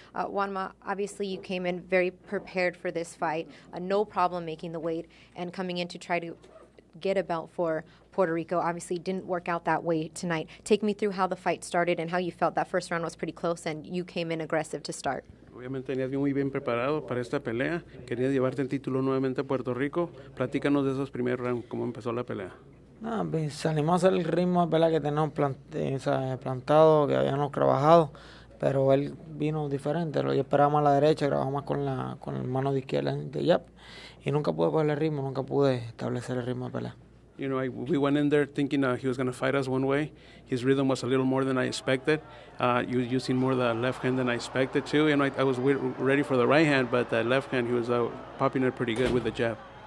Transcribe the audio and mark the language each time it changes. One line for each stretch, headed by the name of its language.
English: JuanMa, obviously you came in very prepared for this fight, no problem making the weight and coming in to try to get a belt for Puerto Rico. Obviously didn't work out that way tonight. Take me through how the fight started and how you felt. That first round was pretty close and you came in aggressive to start.
Spanish: Obviamente tenías muy bien preparado para esta pelea. Querías llevarte el título nuevamente a Puerto Rico. Platícanos de esos primeros rounds, cómo empezó la pelea. No, pues salimos a hacer el ritmo de pelea que teníamos plantado, que habíamos trabajado, pero él vino diferente. Lo esperábamos a la derecha, grabamos más con la mano de izquierda de Jap, y nunca pude poner el ritmo, nunca pude establecer el ritmo de pelea.
English: You know, we went in there thinking he was going to fight us one way. His rhythm was a little more than I expected. You were using more the left hand than I expected, too. You know, I was ready for the right hand, but the left hand, he was popping it pretty good with the jab.